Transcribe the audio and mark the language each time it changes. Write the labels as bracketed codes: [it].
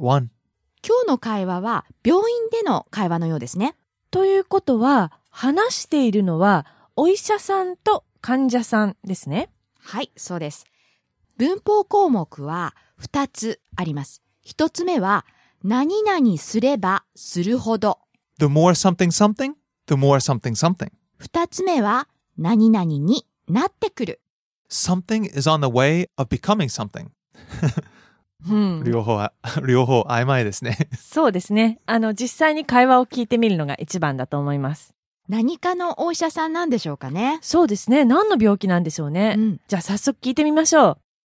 [ja] 今日の会話は病院での会話のようですね。ということは、話しているのはお医者さんと患者さんですね。はい、そうです。文法項目は2つあります。1つ目は、何々すればするほど。 [en] The more something something, the more something something. [ja] 2つ目は、何々になってくる。 [en] Something is on the way of becoming something. [ja] 両方曖昧ですね。そうですね。実際に会話を聞いてみるのが一番だと思います。何かのお医者さんなんでしょうかね。そうですね。何の病気なんでしょうね。うん、じゃあ早速聞いてみましょう。